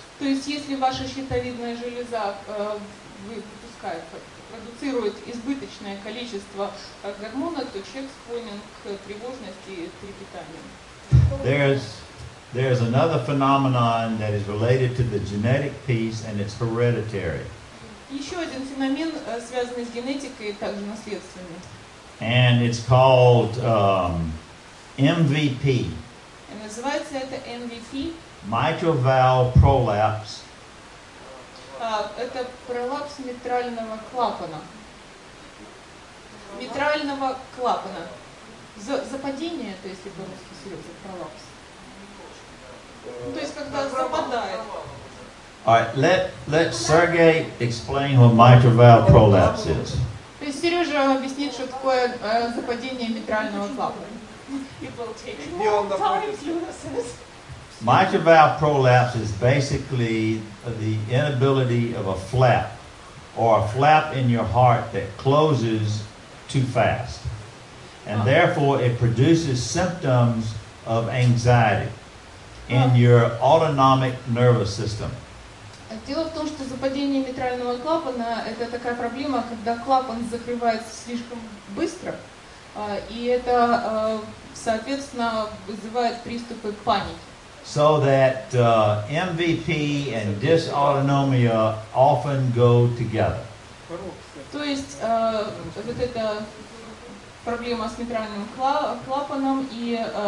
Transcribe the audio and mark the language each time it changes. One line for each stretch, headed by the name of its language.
Russian: То есть, если ваша щитовидная железа выпускает, продуцирует избыточное количество гормона, то человек склонен к тревожности и трепетанию.
English: There's another phenomenon that is related to the genetic piece, and it's hereditary.
Russian: Еще один феномен, связанный с генетикой, также наследственный.
English: And it's called MVP.
Russian: И называется это MVP.
English: Mitral valve prolapse.
Russian: Это пролапс митрального клапана. Митрального клапана. Западение, то если по-русски, Сережа, пролапс. Ну, то есть, когда западает.
English: All right, let Sergey explain what mitral valve prolapse is.
Russian: То есть Сережа объяснит, что такое западение митрального клапана.
English: Mitral valve prolapse is basically the inability of a flap or a flap in your heart that closes too fast. And therefore it produces symptoms of anxiety. in your autonomic nervous system.
Russian: Дело в том, что западение митрального клапана это такая проблема, когда клапан закрывается слишком быстро, и это, соответственно, вызывает приступы паники.
English: So that MVP and dysautonomia often go together.
Russian: То есть вот эта проблема с митральным клапаном и